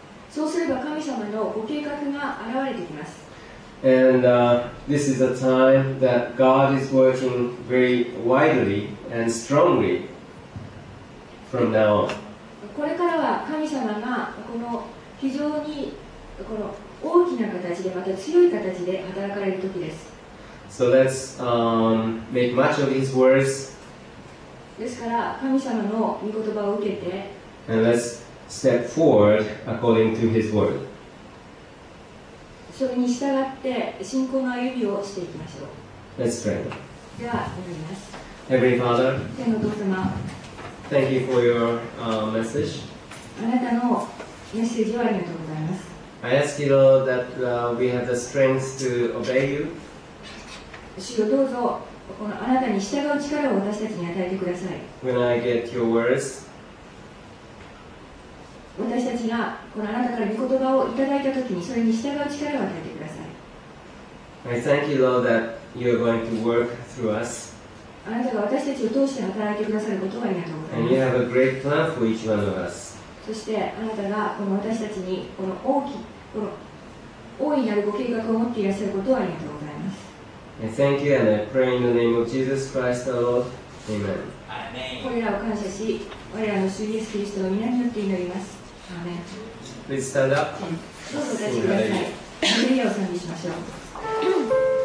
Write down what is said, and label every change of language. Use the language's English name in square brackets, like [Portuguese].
[Japanese] そうすれば神様のご計画が現れてきます。 [English] And this is a time that God is working very widely and strongly from now on. [Japanese] これからは神様がこの非常にこの大きな形でまた強い形で働かれる時です。 [English] So let's make much of His words. [Japanese] ですから神様の御言葉を受けて、 [English] And let's step forward according to His word. [Japanese] それに従って信仰の歩みをしていきましょう。 [English] Let's pray. [Japanese] では祈ります。 [English] Heavenly Father, [Japanese] 天のお父様、 [English] Thank you for your message. [Japanese] あなたのメッセージをありがとうございます。 [English] I ask you, Lord, that we have the strength to obey you. [Japanese] 主よどうぞこのあなたに従う力を私たちに与えてください。 [English] When I get your words, [Japanese] 私たちがこのあなたから御言葉をいただいたときにそれに従う力を与えてください。 [English] I thank you, Lord, that you are going to work through us. [Japanese] あなたが私たちを通して働いてくださることをありがとうございます。 [English] And you have a great plan for each one of us. [Japanese] そしてあなたがこの私たちにこの大きこの大いなるご計画を持っていらっしゃることをありがとうございます。 [English] Thank you and I pray in the name of Jesus Christ our Lord. Amen. [Japanese] これらを感謝し、我らの主イエスキリストの皆によって祈ります。アーメン。 [English] Please stand up. [Japanese] どうぞお立ちください。ハレルヤを賛美しましょう。